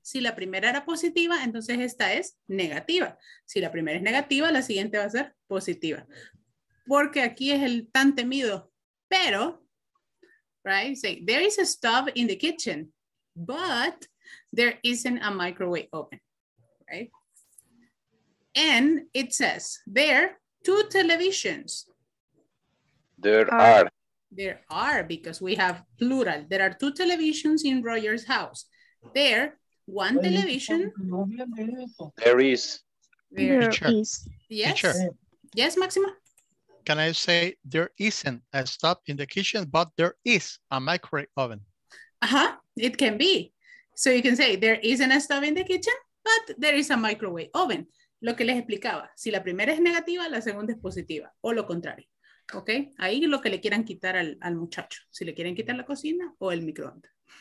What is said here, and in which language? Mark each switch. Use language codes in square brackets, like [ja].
[es] Si la primera era positiva, entonces esta es negativa. Si la primera es negativa, la siguiente va a ser positiva. Porque aquí es el tan temido. Pero... Right? [en] Say, there is a stove in the kitchen, but there isn't a microwave oven, right? And it says, there are two televisions. There are. There are, because we have plural. There are two televisions in Roger's house. There, one television. There is. Yes. Teacher. Yes, Maxima? Can I say there isn't a stove in the kitchen, but there is a microwave oven? Uh-huh, it can be. So you can say there isn't a stove in the kitchen, but there is a microwave oven. [es] Lo que les explicaba, si la primera es negativa, la segunda es positiva, o lo contrario. Ok, ahí lo que le quieran quitar al muchacho, si le quieren quitar la cocina o el microondas.